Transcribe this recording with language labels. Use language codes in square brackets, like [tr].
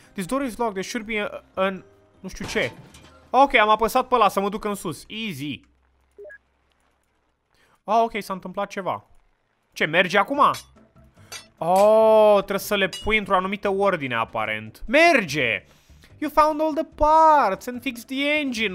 [en] This door is locked, there should be an... [ro] Nu știu ce. Ok, am apăsat pe ăla să mă duc în sus. Easy. Ah, ok, s-a întâmplat ceva. Ce, merge acum? Oh, trebuie să le pui într-o anumită ordine, aparent. Merge! [en] You found all the parts and fixed the engine.